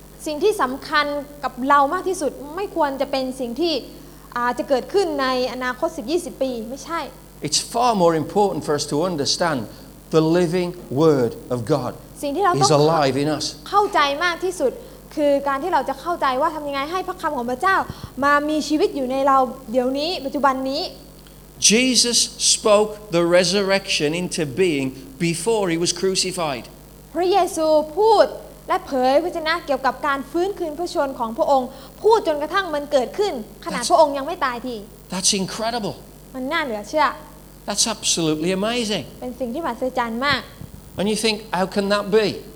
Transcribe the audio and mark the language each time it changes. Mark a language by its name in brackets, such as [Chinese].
[Thai] สิ่งที่สําคัญกับเรามากที่สุดไม่ควรจะเป็นสิ่งที่จะเกิดขึ้นในอนาคต10 20ปีไม่ใช่ [English] It's far more important for us to understand the living word of God [Thai] สิ่งที่เราต้อง [English] is alive in us [Thai] เข้าใจมากที่สุดคือการที่เราจะเข้าใจว่าทำยังไงให้พระคำของพระเจ้ามามีชีวิตอยู่ในเราเดี๋ยวนี้ปัจจุบันนี้ [English] Jesus spoke the resurrection into being before he was crucified [Thai] พระเยซูพูดและเผยพระชนะเกี่ยวกับการฟื้นคืนพระชนของพระองค์พูดจนกระทั่งมันเกิดขึ้นขณะพระองค์ยังไม่ตายที [English] That's incredible [Thai] มันน่าเหลือเชื่อ [English] That's absolutely amazing [Thai] เป็นสิ่งที่มหัศจรรย์มาก [English] And you think how can that be